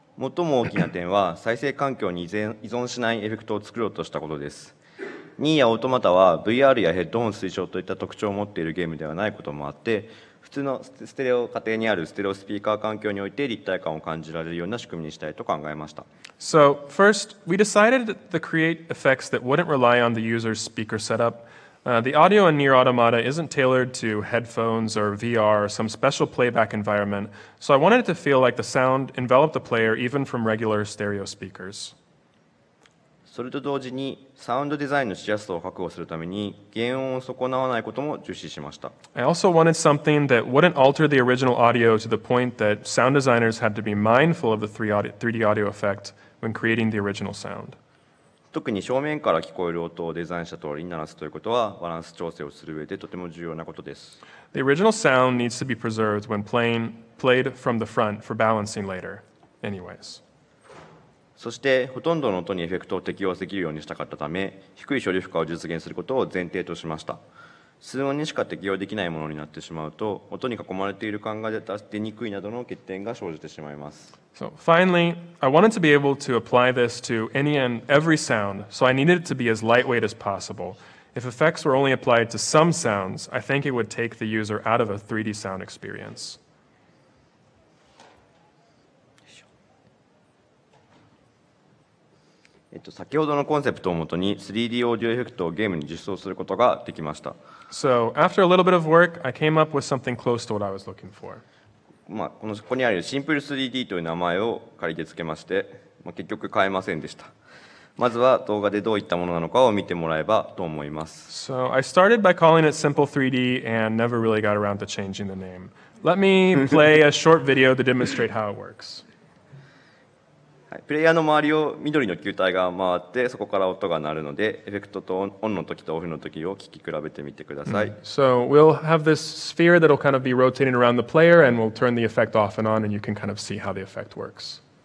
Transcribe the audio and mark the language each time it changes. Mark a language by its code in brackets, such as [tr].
[ja] 最も大きな点は再生環境に依存しないエフェクトを作ろうとしたことです。ニーヤオートマタは VR やヘッドホン推奨といった特徴を持っているゲームではないこともあって、普通のステレオ家庭にあるステレオスピーカー環境において立体感を感じられるような仕組みにしたいと考えました。 [en] So first, we decided to create effects that wouldn't rely on the user's speaker setup. The audio in Nier Automata isn't tailored to headphones or VR or some special playback environment, so I wanted it to feel like the sound enveloped the player even from regular stereo speakers. [ja] それと同時にサウンドデザインのしやすさを確保するために原音を損なわないことも重視しました。 [en] I also wanted something that wouldn't alter the original audio to the point that sound designers had to be mindful of the 3D audio effect when creating the original sound. [ja] 特に正面から聞こえる音をデザインした通りに鳴らすということはバランス調整をする上でとても重要なことです。 [en] The original sound needs to be preserved when played from the front for balancing later. Anyways. [ja] そしてほとんどの音にエフェクトを適用できるようにしたかったため、低い処理負荷を実現することを前提としました。数音にしか適用できないものになってしまうと、音に囲まれている感が出にくいなどの欠点が生じてしまいます。 [en] So, finally, I wanted to be able to apply this to any and every sound, so I needed it to be as lightweight as possible. If effects were only applied to some sounds, I think it would take the user out of a 3D sound experience. [ja] 先ほどのコンセプトをもとに 3D オーディオエフェクトをゲームに実装することができました。 [en] So after a little bit of work, I came up with something close to what I was looking for. [ja] ここにあるシンプル 3D という名前を仮で付けまして、結局変えませんでした。まずは動画でどういったものなのかを見てもらえばと思います。 [en] So I started by calling it Simple 3D and never really got around to changing the name. Let me play a short video to demonstrate how it works. [ja] プレイヤーの周りを緑の球体が回ってそこから音が鳴るので、エフェクトとオンの時とオフの時を聞き比べてみてください。 [en] So we'll have this sphere that'll kind of be rotating around the player and we'll turn the effect off and on and you can kind of see how the effect works.